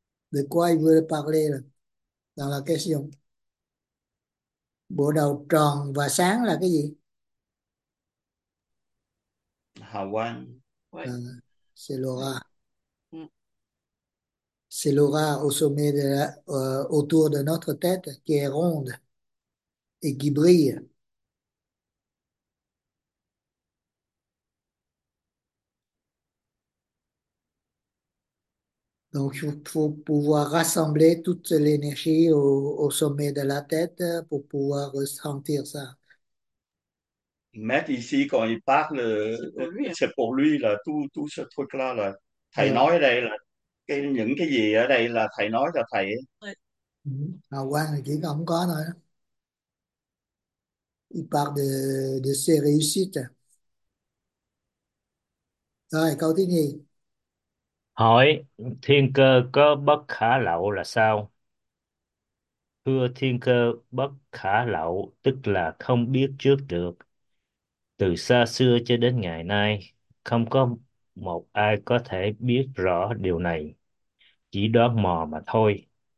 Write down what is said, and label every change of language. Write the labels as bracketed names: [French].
[French] De quoi il veut parler là, dans la question? [Vietnamese] Bộ đầu tròn và sáng là cái gì? Hà Quang. [French] C'est l'aura. C'est l'aura au sommet de autour de notre tête qui est ronde et qui brille. Donc, il faut pouvoir rassembler toute l'énergie au sommet de la tête pour pouvoir ressentir ça. Mais ici, quand il parle, C'est pour lui, hein. c'est pour lui là tout tout ce truc-là là thầy Yeah. [Vietnamese] nói đây là cái những cái gì ở đây là thầy nói cho thầy. Hào quang thì chỉ không có thôi. [French] Il parle de ses réussites. [Vietnamese] Rồi, câu thứ nhì. Hỏi thiên cơ có bất khả lậu là sao? Thưa, thiên cơ bất khả lậu tức là không biết trước được. Từ xa xưa cho đến ngày nay, không có một ai có thể biết rõ điều này, chỉ đoán mò mà thôi.